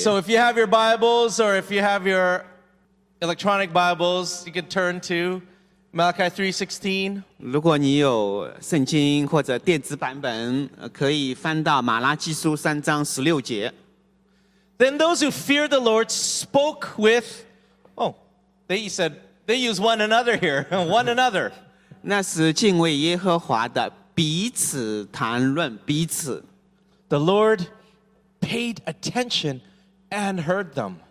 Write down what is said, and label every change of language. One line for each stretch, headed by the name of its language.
English: So if you have your Bibles or if you have your electronic Bibles, you can turn to Malachi 3:16.
Chinese: 如果你有圣经或者电子版本，可以翻到马拉基书三章十六节。Then
English: those who fear the Lord spoke with, oh, they said they use one another here, one another.
Chinese: 那是敬畏耶和华的。彼此谈论彼此.
English: The Lord paid attention and heard them.